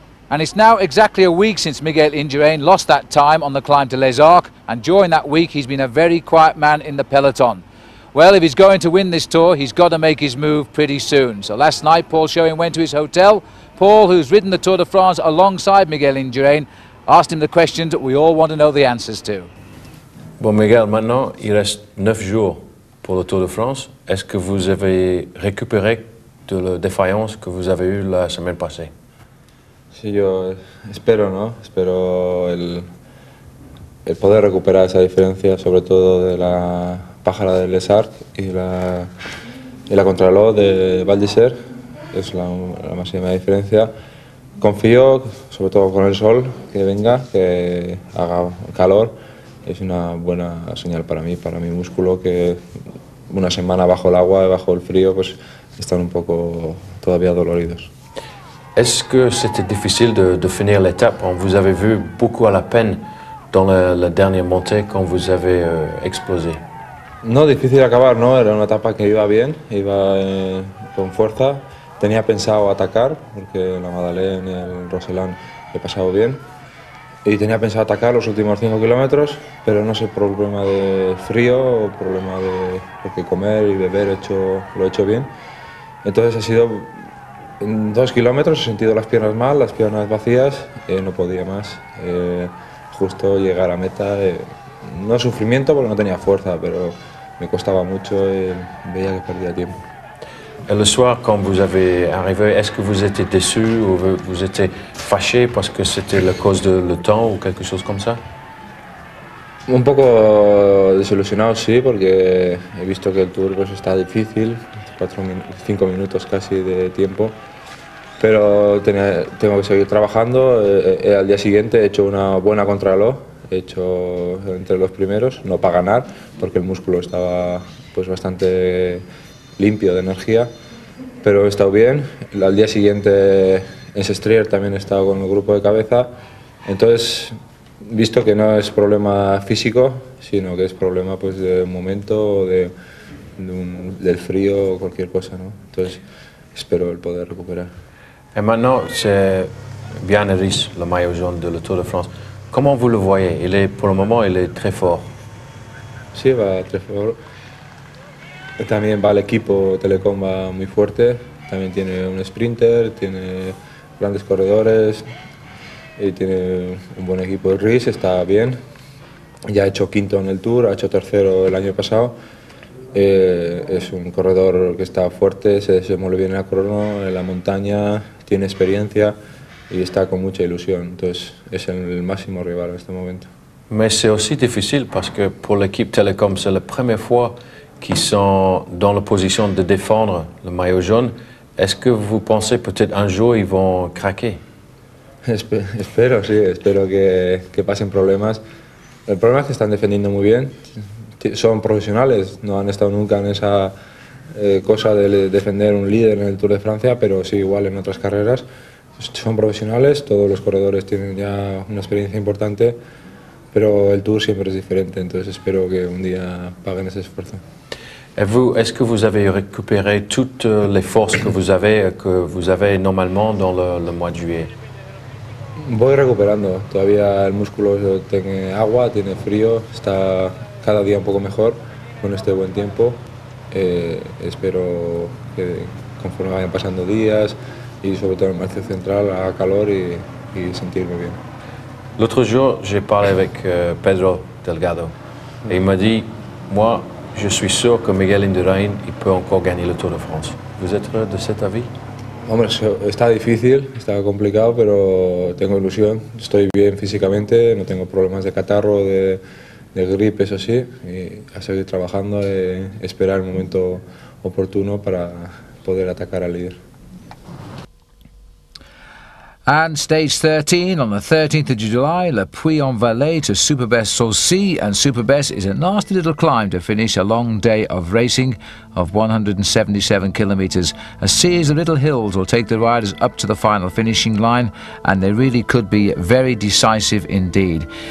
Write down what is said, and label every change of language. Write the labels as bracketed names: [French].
[English] And it's now exactly a week since Miguel Indurain lost that time on the climb to Les Arcs, and during that week he's been a very quiet man in the peloton. Well, if he's going to win this Tour, he's got to make his move pretty soon. So last night, Paul Showing went to his hotel. Paul, who's ridden the Tour de France alongside Miguel Indurain, asked him the questions that we all want to know the answers to. [French] Bon, Miguel, maintenant, il reste 9 jours pour le Tour de France. Est-ce que vous avez récupéré de la défaillance que vous avez eue la semaine passée? [Spanish] Sí, yo espero, ¿no? Espero el poder recuperar esa diferencia, sobre todo de la pájara del Lesart y la contrarreloj de Val d'Isère. Es la máxima diferencia. Confío, sobre todo con el sol, que venga, que haga calor. Es una buena señal para mí, para mi músculo, que una semana bajo el agua y bajo el frío, pues están un poco todavía doloridos. [French] Est-ce que c'était difficile de finir l'étape? On vous avait vu beaucoup à la peine dans la dernière montée quand vous avez explosé. Non, difficile à finir, non. [Spanish] Era una etapa que iba bien, iba con fuerza. Tenía pensado atacar porque la Madeleine y el Rosellán he pasado bien y tenía pensado atacar los últimos 5 kilómetros, pero no sé, problema de frío o problema de porque comer y beber lo he hecho bien. Entonces ha sido en 2 kilómetros he sentido las piernas mal, las piernas vacías, no podía más. Justo llegar a meta, no sufrimiento porque no tenía fuerza, pero me costaba mucho y veía que perdía tiempo. [French] Le soir, quand vous avez arrivé, est-ce que vous étiez déçu ou vous étiez fâché parce que c'était la cause de le temps ou quelque chose comme ça? [Spanish] Un poco desilusionado, sí, porque he visto que el Tour pues, está difícil, 5 minutos casi de tiempo, pero tengo que seguir trabajando. Al día siguiente he hecho una buena contrarreloj, he hecho entre los primeros, no para ganar, porque el músculo estaba pues, bastante limpio de energía, pero he estado bien. Al día siguiente en Sestrier también he estado con el grupo de cabeza, entonces visto que no es problema físico, sino que es problema pues de momento, del frío o cualquier cosa, ¿no? Entonces espero el poder recuperar. [French] Et maintenant, c'est Bjarne Riis, le maillot jaune de la Tour de France. Comment vous le voyez? Il est pour le moment, il est très fort. [Spanish] Sí, va [French] très fort. [Spanish] También va el equipo Telecom, va muy fuerte. También tiene un sprinter, tiene grandes corredores. Y tiene un buen equipo. Riis está bien, ya ha hecho quinto en el Tour, ha hecho tercero el año pasado. Es un corredor que está fuerte, se desenvuelve bien en la crono, en la montaña, tiene experiencia y está con mucha ilusión. Entonces es el máximo rival en este momento. [French] Mais c'est aussi difficile parce que pour l'équipe Telecom c'est la première fois qu'ils sont dans la position de défendre le maillot jaune. Est-ce que vous pensez peut-être un jour ils vont craquer? [Spanish] Espero, sí, espero que pasen problemas. El problema es que están defendiendo muy bien. Son profesionales, no han estado nunca en esa cosa de defender un líder en el Tour de Francia, pero sí, igual en otras carreras. Son profesionales, todos los corredores tienen ya una experiencia importante, pero el Tour siempre es diferente, entonces espero que un día paguen ese esfuerzo. [French] Et vous, est-ce que vous avez récupéré toutes les forces que vous avez normalement dans le mois de juillet? [Spanish] Voy recuperando, todavía el músculo tiene agua, tiene frío, está cada día un poco mejor con este buen tiempo. Espero que conforme vayan pasando días y sobre todo en el Marcio Central haga calor y sentirme bien. [French] L'autre jour, j'ai parlé avec Pedro Delgado et il m'a dit, moi, je suis sûr que Miguel Indurain il peut encore gagner le Tour de France. Vous êtes de cet avis? [Spanish] Hombre, está difícil, está complicado, pero tengo ilusión. Estoy bien físicamente, no tengo problemas de catarro, de gripe, eso sí. Y a seguir trabajando, esperar el momento oportuno para poder atacar al líder. [English] And stage 13 on the 13th of July, Le Puy-en-Velay to Superbest Saulcy, and Superbest is a nasty little climb to finish a long day of racing of 177 kilometres. A series of little hills will take the riders up to the final finishing line, and they really could be very decisive indeed.